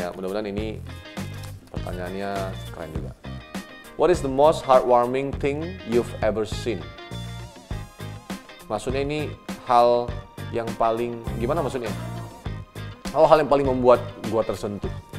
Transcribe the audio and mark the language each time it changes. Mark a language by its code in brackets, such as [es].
[id] ya, mudah-mudahan ini pertanyaannya keren juga. [en] What is the most heartwarming thing you've ever seen? [id] Maksudnya ini hal yang paling, gimana maksudnya? Hal yang paling membuat gua tersentuh.